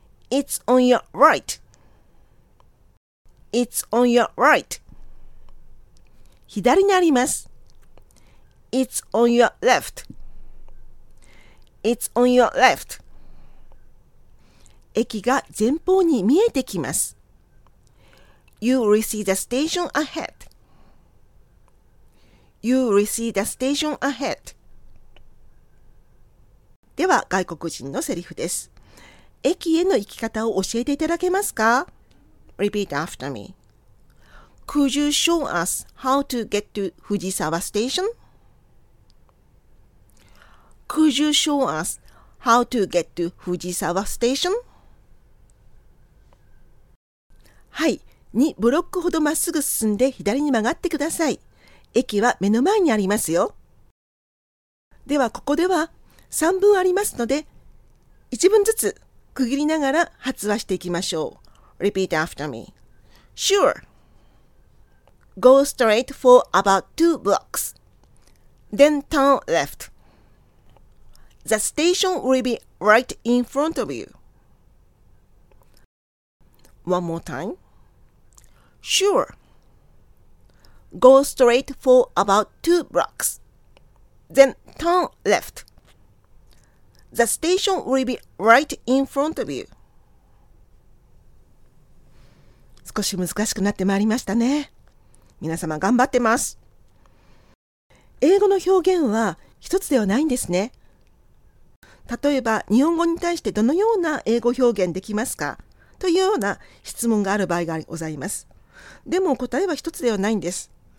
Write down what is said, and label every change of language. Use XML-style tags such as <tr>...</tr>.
<en>It's on your right. It's on your right.</en> <ja>左にあります。</ja> <en>It's on your left. It's on your left.</en> <ja>駅が前方に見えてきます。</ja> <en>You will see the station ahead. You will see the station ahead.</en> <ja>では、外国人のセリフです。駅への行き方を教えていただけますか？</ja> <en>Repeat after me. Could you show us how to get to Fujisawa Station? Could you show us how to get to Fujisawa Station?</en> <ja>はい、2ブロックほどまっすぐ進んで左に曲がってください。駅は目の前にありますよ。ではここでは3分ありますので、1分ずつ区切りながら発話していきましょう。</ja> <en>Repeat after me. Sure. go straight for about two blocks. Then turn left. The station will be right in front of you. One more time. Sure. Go straight for about two blocks. Then turn left. The station will be right in front of you.</en> <ja>少し難しくなってまいりましたね。皆様頑張ってます。英語の表現は一つではないんですね。例えば、日本語に対してどのような英語表現できますか？というような質問がある場合がございます。でも答えは一つではないんです。</ja>